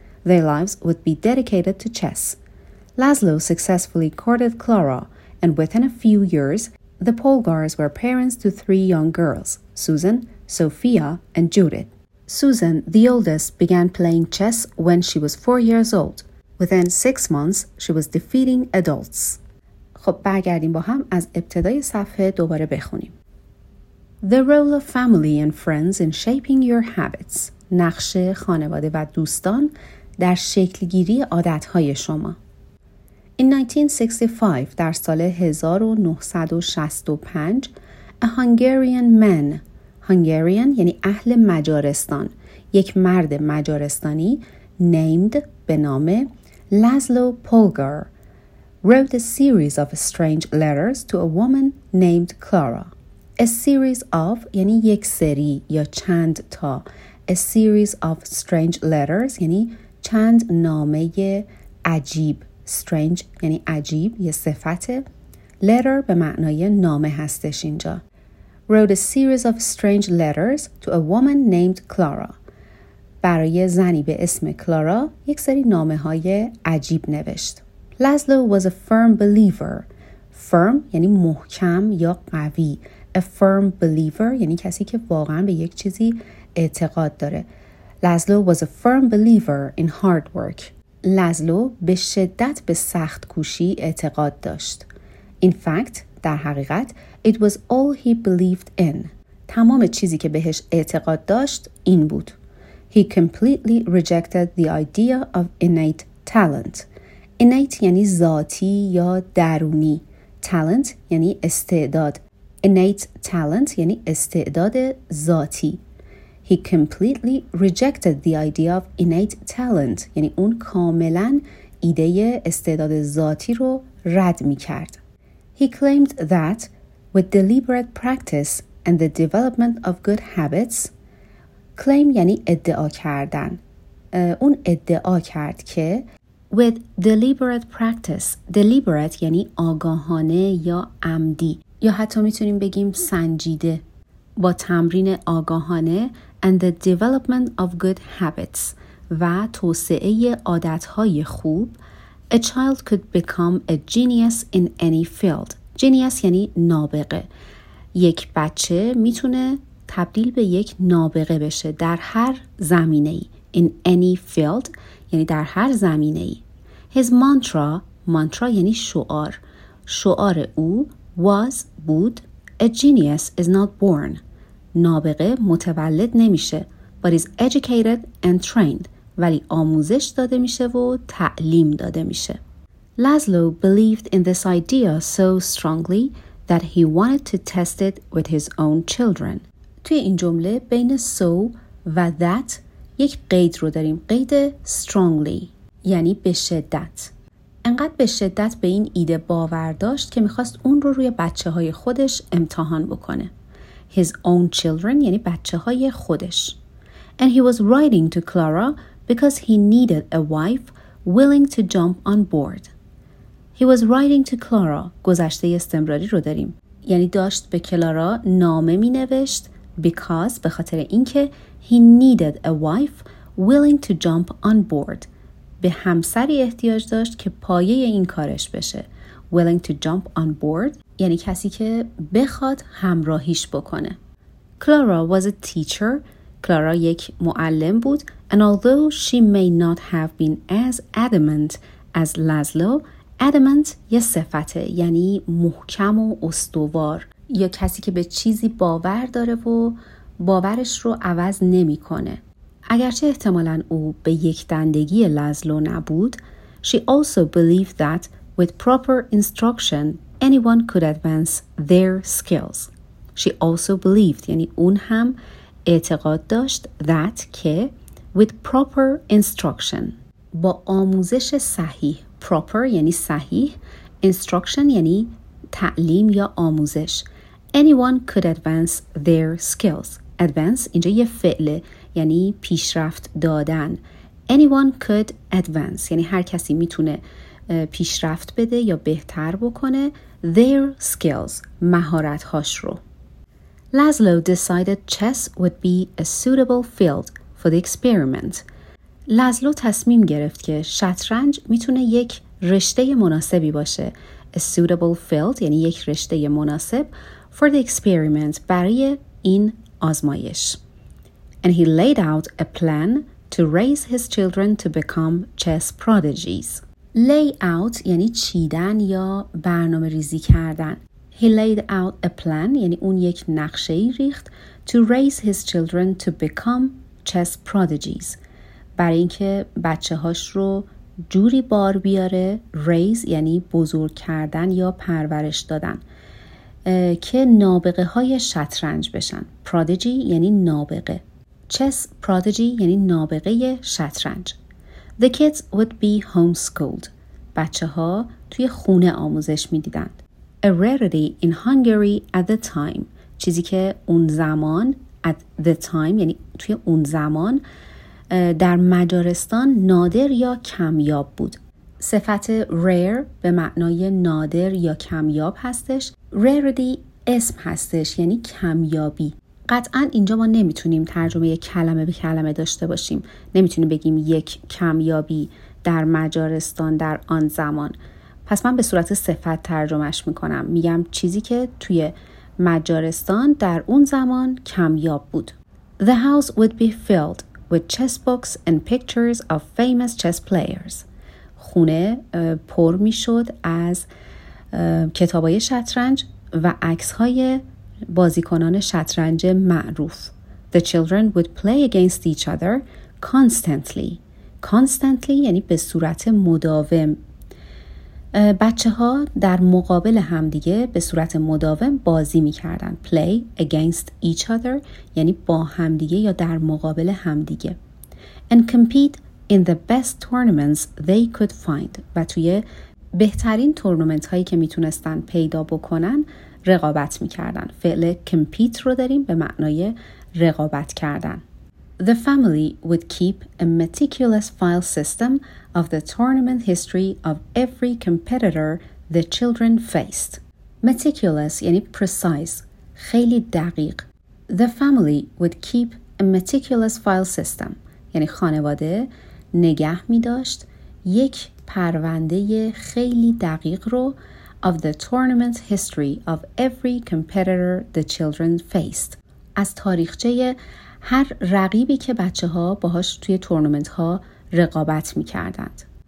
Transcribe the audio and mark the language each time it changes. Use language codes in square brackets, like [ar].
[en] Their lives would be dedicated to chess. Laszlo successfully courted Clara, and within a few years, the Polgars were parents to three young girls, Susan, Sophia, and Judith. Susan, the oldest, began playing chess when she was 4 years old. Within 6 months, she was defeating adults. [fa] خب برگردیم با هم از ابتدای صفحه دوباره بخونیم. [en] The role of family and friends in shaping your habits. [fa] نقش خانواده و دوستان در شکل گیری عادت‌های شما. [en] In 1965, [fa] در سال 1965, [en] a Hungarian man, Hungarian [fa] یعنی اهل مجارستان، یک مرد مجارستانی [en] named [fa] به نام [en] Laszlo Polgár wrote a series of strange letters to a woman named Clara. A series of [fa] یعنی یک سری یا چند تا. [en] A series of strange letters [fa] یعنی چند نامه عجیب. Strange یعنی عجیب، یه صفته. Letter به معنای نامه هستش اینجا. [en] Wrote a series of strange letters to a woman named Clara. [fa] برای زنی به اسم کلارا یک سری نامه های عجیب نوشت. [en] Laszlo was a firm believer. [fa] Firm یعنی محکم یا قوی. [en] A firm believer [fa] یعنی کسی که واقعا به یک چیزی اعتقاد داره. [en] Laszlo was a firm believer in hard work. [fa] Laszlo به شدت به سخت کوشی اعتقاد داشت. [en] In fact, [fa] در حقیقت, [en] it was all he believed in. [fa] تمام چیزی که بهش اعتقاد داشت این بود. [en] He completely rejected the idea of innate talent. [fa] Innate یعنی ذاتی یا درونی. Talent یعنی استعداد. [en] Innate talent [fa] یعنی استعداد ذاتی. [en] He completely rejected the idea of innate talent. [fa] یعنی اون کاملا ایده استعداد ذاتی رو رد می کرد. [en] He claimed that with deliberate practice and the development of good habits. [fa] Claim یعنی ادعا کردن. اون ادعا کرد که [en] with deliberate practice. [fa] Deliberate یعنی آگاهانه یا عمدی. یا حتی میتونیم بگیم سنجیده. با تمرین آگاهانه [en] and the development of good habits [fa] و توسعه عادت‌های خوب [en] a child could become a genius in any field. [fa] Genius یعنی نابغه. یک بچه میتونه تبدیل به یک نابغه بشه در هر زمینه‌ای. [en] In any field [fa] یعنی در هر زمینه‌ای. [en] His mantra, mantra [fa] یعنی شعار. شعار او [en] was بود a genius is not born. [fa] نابغه متولد نمیشه، [en] but is educated and trained، [fa] ولی آموزش داده میشه و تعلیم داده میشه. [en] Laszlo believed in this idea so strongly that he wanted to test it with his own children. [fa] توی این جمله بین so و that یک قید رو داریم، قید strongly یعنی به شدت. انقدر به شدت به این ایده باور داشت که میخواست اون رو روی بچه های خودش امتحان بکنه. His own children یعنی بچه های خودش. [en] And he was writing to Clara because he needed a wife willing to jump on board. He was writing to Clara. [fa] گذشته استمراری رو داریم. یعنی داشت به کلارا نامه می نوشت because به خاطر اینکه [en] he needed a wife willing to jump on board. [fa] به همسری احتیاج داشت که پایه این کارش بشه. [en] Willing to jump on board [fa] یعنی کسی که بخواد همراهیش بکنه. [en] Clara was a teacher. [fa] کلارا یک معلم بود. [en] And although she may not have been as adamant as Laszlo, adamant [fa] یه صفته یعنی محکم و استوار یا کسی که به چیزی باور داره و باورش رو عوض نمی کنه. اگرچه احتمالاً او به یک دندگی لازلو نبود، [en] she also believed that with proper instruction anyone could advance their skills. She also believed [fa] یعنی اون هم اعتقاد داشت that که [en] with proper instruction [fa] با آموزش صحیح، proper یعنی صحیح، instruction یعنی تعلیم یا آموزش، [en] anyone could advance their skills. [fa] Advance اینجا یه فعله یعنی پیشرفت دادن. [en] Anyone could advance [fa] یعنی هر کسی میتونه پیشرفت بده یا بهتر بکنه [en] their skills [fa] مهارت‌هاش رو. [en] Laszlo decided chess would be a suitable field for the experiment. [fa] Laszlo تصمیم گرفت که شطرنج میتونه یک رشته مناسبی باشه. [en] A suitable field [fa] یعنی یک رشته مناسب [en] for the experiment [fa] برای این آزمایش. [en] And he laid out a plan to raise his children to become chess prodigies. [fa] Lay out یعنی چیدن یا برنامه ریزی کردن. [en] He laid out a plan [fa] یعنی اون یک نقشه ای ریخت [en] to raise his children to become chess prodigies. [fa] برای اینکه بچه هاش رو جوری بار بیاره، raise یعنی بزرگ کردن یا پرورش دادن، که نابغه های شطرنج بشن. Prodigy یعنی نابغه. [en] Chess prodigy [fa] یعنی نابغه شطرنج. [en] The kids would be homeschooled. [fa] بچه ها توی خونه آموزش می دیدند. [en] A rarity in Hungary at the time. [fa] چیزی که اون زمان [en] at the time [fa] یعنی توی اون زمان در مجارستان نادر یا کمیاب بود. صفت rare به معنای نادر یا کمیاب هستش. Rarity اسم هستش یعنی کمیابی. قطعا اینجا ما نمیتونیم ترجمه کلمه به کلمه داشته باشیم. نمیتونیم بگیم یک کمیابی در مجارستان در آن زمان. پس من به صورت صفت ترجمهش میکنم. میگم چیزی که توی مجارستان در اون زمان کمیاب بود. [en] The house would be filled with chess books and pictures of famous chess players. [fa] خونه پر میشد از کتابای شطرنج و عکس‌های بازیکنان شطرنج معروف. [en] The children would play against each other constantly. [fa] Constantly یعنی به صورت مداوم. بچه‌ها در مقابل همدیگه به صورت مداوم بازی می‌کردن. [en] Play against each other [fa] یعنی با همدیگه یا در مقابل همدیگه. [en] And compete in the best tournaments they could find. [fa] و توی بهترین تورنمنت هایی که میتونستن پیدا بکنن رقابت میکردن. فعل compete رو داریم به معنای رقابت کردن. [en] The family would keep a meticulous file system of the tournament history of every competitor the children faced. [fa] Meticulous یعنی precise، خیلی دقیق. [en] The family would keep a meticulous file system [fa] یعنی خانواده نگه میداشت یک پرونده خیلی دقیق رو [en] of the tournament history of every competitor the children faced، [fa] از تاریخچه هر رقیبی که بچه ها باهاش توی تورنمنت ها رقابت می کردند.